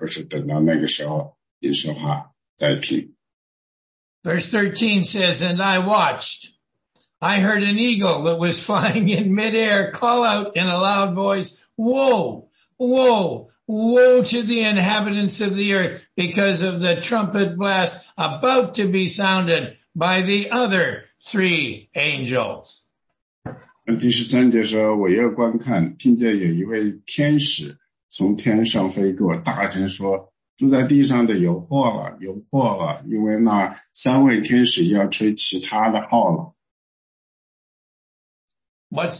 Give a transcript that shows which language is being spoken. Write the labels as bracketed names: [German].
[Chinese] 因为你我都要祷告，你就祷告说主啊，求您来帮助我们，让我们去倾听。当你说话的时候呢，倾听。我宁愿现在呢，你说话我来听，而不是等到那个时候你说话再听。 [English] Verse 13 says, and I watched. I heard an eagle that was flying in midair call out in a loud voice, woe, woe, woe to the inhabitants of the earth because of the trumpet blast about to be sounded by the other three angels. [Chinese] 第十三节说，我又观看，听见有一位天使从天上飞过，大声说， 住在地上的有祸了，有祸了，因为那三位天使要吹其他的号了。 [English] What's